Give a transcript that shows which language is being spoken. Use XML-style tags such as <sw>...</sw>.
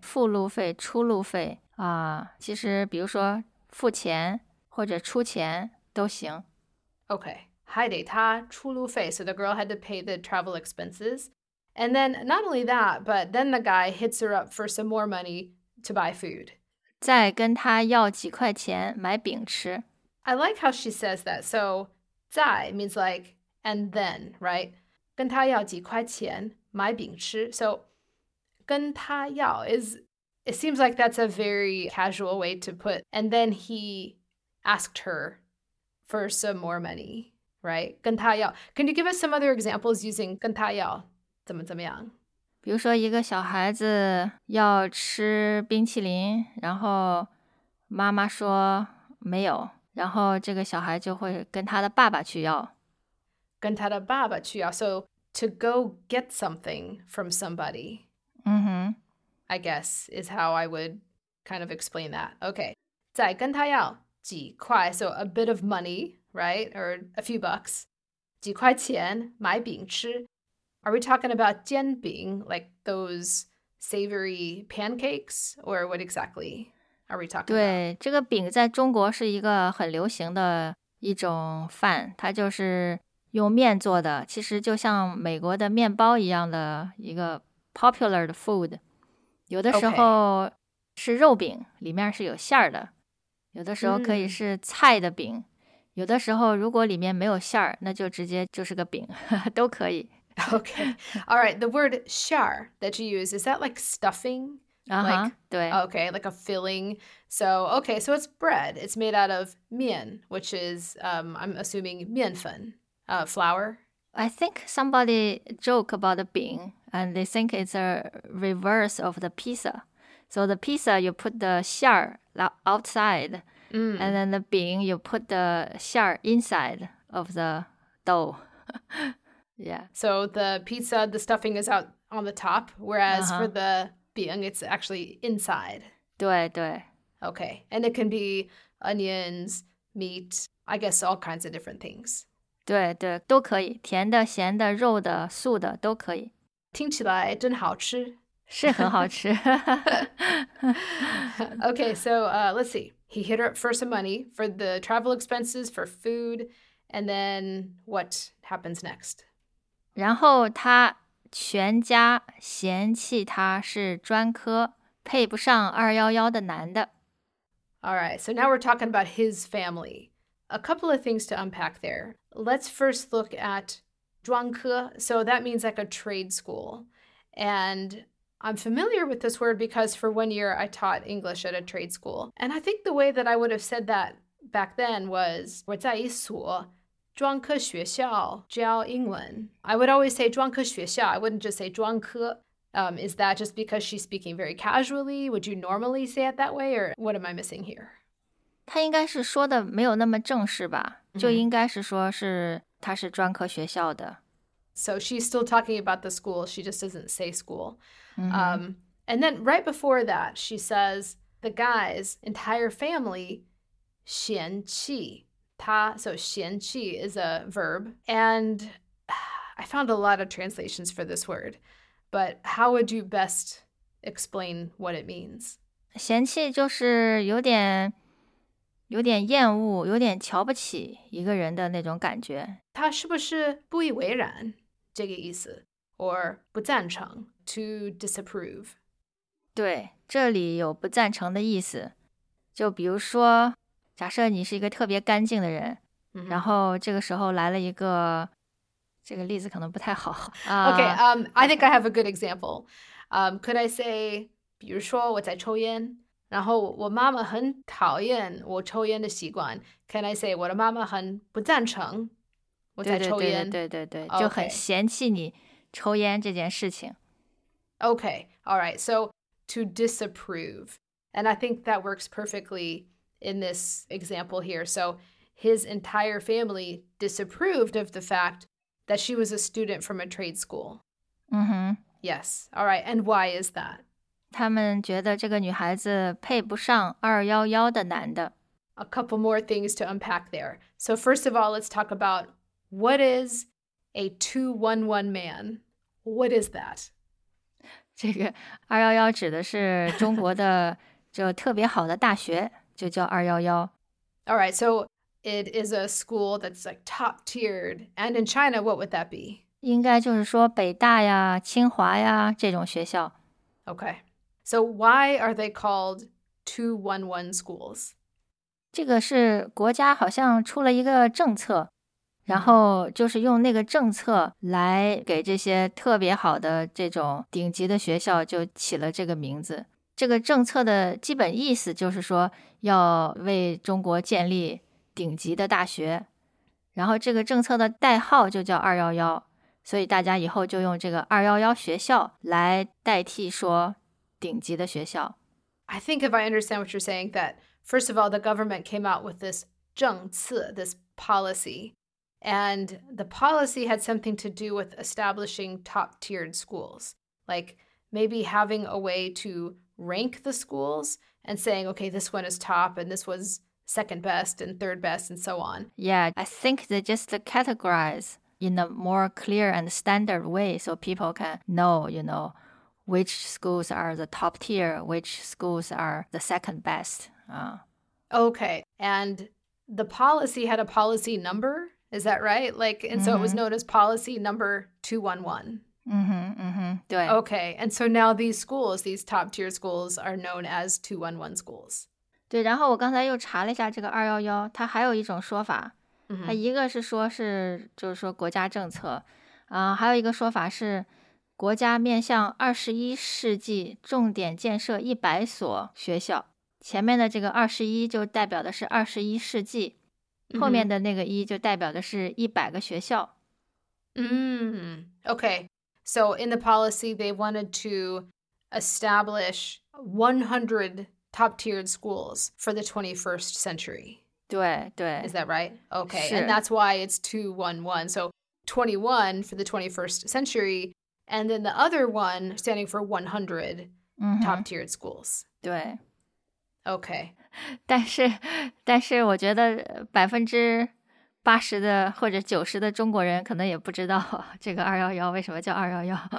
<zh>付路费, 出路费, 啊, 其实比如说付钱或者出钱都行。</zh> <en>Okay,</en> <zh>还得他出路费,</zh> <en>so the girl had to pay the travel expenses. And then, not only that, but then the guy hits her up for some more money to buy food.</en> <zh>再跟他要几块钱买饼吃。</zh> <en>I like how she says that. So, 再 means like, and then, right?</en> <zh>跟他要几块钱买饼吃。</zh> <en>So,</en> <zh>跟他要</zh> <en>is, it seems like that's a very casual way to put, and then he asked her,for some more money, right?</en> <zh>跟他要。</zh> <en>Can you give us some other examples using</en> <zh>跟他要怎么怎么样？比如说一个小孩子要吃冰淇淋，然后妈妈说没有，然后这个小孩就会跟他的爸爸去要。跟他的爸爸去要。</zh> <en>So to go get something from somebody, mm-hmm. I guess is how I would kind of explain that. Okay,</en> <zh>再跟他要。</zh> <en>几块, so a bit of money, right? Or a few bucks.</en> <zh>几块钱买饼吃。</zh> <en>Are we talking about 煎饼, like those savory pancakes? Or what exactly are we talking</en> <zh>对,这个饼在中国是一个很流行的一种饭。它就是用面做的,其实就像美国的面包一样的一个</zh> <en>popular</en> <zh>的</zh> <en>food。</en> <zh>有的时候是肉饼,里面是有馅儿的。有的时候可以是菜的饼、嗯、有的时候如果里面没有馅儿，那就直接就是个饼，都可以。</zh> <en>Okay. All right. The word 馅儿 that you use, is that like stuffing? Uh-huh, like,</en> <zh>对。</zh> <en>Okay, like a filling. So, okay, so it's bread. It's made out of 面, which is, I'm assuming, 面粉, flour. I think somebody joke about the 饼, and they think it's a reverse of the pizza. So the pizza, you put the 馅儿 outside, and then the 饼, you put the 馅儿 inside of the dough. Yeah. So the pizza, the stuffing is out on the top, whereas for the 饼, it's actually inside.</en> <zh>对对。</zh> <en>Okay. And it can be onions, meat, I guess all kinds of different things.</en> <zh>对对，都可以，甜的、咸的、肉的、素的都可以。听起来真好吃。是很好吃。</zh> <en>Okay, so let's see. He hit her up for some money, for the travel expenses, for food, and then what happens next?</en> <zh>然后他全家嫌弃他是专科，配不上211的男的。</zh> <en>All right, so now we're talking about his family. A couple of things to unpack there. Let's first look at 专科.So that means like a trade school. And I'm familiar with this word because for 1 year I taught English at a trade school. And I think the way that I would have said that back then was</en> <zh>我在一所专科学校教英文.</zh> <en>I would always say 专科学校.I wouldn't just say 专科.Is that just because she's speaking very casually? Would you normally say it that way? Or what am I missing here?</en> <zh>她应该是说的没有那么正式吧。就应该是说是她是专科学校的。</zh> <en>So she's still talking about the school. She just doesn't say school. And then right before that, she says the guy's entire family, 嫌弃。他, so 嫌弃 is a verb. And I found a lot of translations for this word. But how would you best explain what it means?</en> <zh>嫌弃就是有点厌恶，有点瞧不起一个人的那种感觉。他是不是不以为然这个意思 ？Or 不赞成 ，</zh> <en>to disapprove。</en> <zh>对，这里有不赞成的意思。就比如说，假设你是一个特别干净的人，然后这个时候来了一个，这个例子可能不太好。</zh> <en>Okay, I think I have a good example. Could I say,</en> <zh>比如说我在抽烟。然后我妈妈很讨厌我抽烟的习惯。</zh> <en>Can I say</en> <zh>我的妈妈很不赞成我在抽烟？对对对对对对，就很嫌弃你抽烟这件事情。</zh> <en>Okay, all right. So to disapprove, and I think that works perfectly in this example here. So his entire family disapproved of the fact that she was a student from a trade school. Mm-hmm. Yes. All right. And why is that?</en> <zh>他们觉得这个女孩子配不上211的男的。</zh> <en>A couple more things to unpack there. So first of all, let's talk about what is a 211 man? What is that?</en> <zh>这个211指的是中国的就特别好的大学，就叫211。</zh> <en>All right, so it is a school that's like top tiered. And in China, what would that be?</en> <zh>应该就是说北大呀、清华呀这种学校。</zh> <en>Okay. So why are they called 211 schools?</en> <zh>这个是国家好像出了一个政策，然后就是用那个政策来给这些特别好的这种顶级的学校就起了这个名字。这个政策的基本意思就是说要为中国建立顶级的大学，然后这个政策的代号就叫211，所以大家以后就用这个211学校来代替说顶级的学校。</zh> <en>I think if I understand what you're saying, that first of all, the government came out with this 政策, this policy, and the policy had something to do with establishing top-tiered schools, like maybe having a way to rank the schools and saying, okay, this one is top, and this was second best and third best and so on. Yeah, I think they just categorize in a more clear and standard way so people can know, you know,Which schools are the top tier? Which schools are the second best? Okay. And the policy had a policy number. Is that right? Like, and so it was known as policy number 211. Okay. And so now these schools, these top tier schools are known as 211 schools.</en> <zh>对，然后我刚才又查了一下这个211，它还有一种说法，它一个是说是就是说国家政策，还有一个说法是国家面向21世纪重点建设100所学校。前面的这个21就代表的是21世纪，后面的那个1就代表的是100个学校。</zh> <en>Okay, so in the policy, they wanted to establish 100 top-tiered schools for the 21st century.</en> <zh>对对。</zh> <en>Is that right? Okay, and that's why it's 211. So 21 for the 21st century, and then the other one standing for 100 top-tiered schools.</en> <zh>对。</zh> <en>Okay.</en> <zh>但是我觉得80%的或者90%的中国人可能也不知道这个211为什么叫211。</zh>